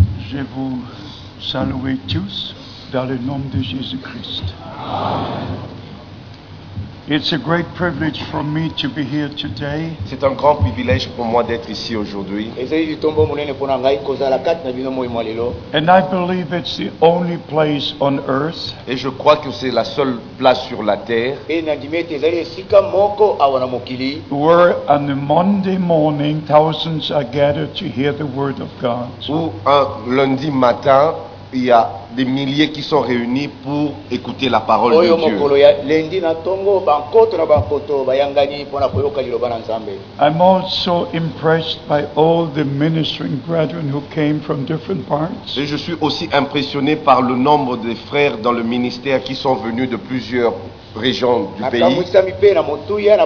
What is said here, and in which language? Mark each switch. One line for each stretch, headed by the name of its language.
French: Je vous salue tous dans le nom de Jésus Christ.
English: It's a great privilege for me to be here today.
French: C'est un grand privilège pour moi d'être ici aujourd'hui.
English: And I believe it's the only place on earth.
French: Et je crois que c'est la seule place sur la terre.
English: Where on a Monday morning, thousands are gathered to hear the word of God.
French: Où un lundi matin, il y a des milliers qui sont réunis pour écouter la parole de Dieu.
English: I'm also impressed by all the ministering brethren who came from different parts.
French: Et je suis aussi impressionné par le nombre de frères dans le ministère qui sont venus de plusieurs régions du pays.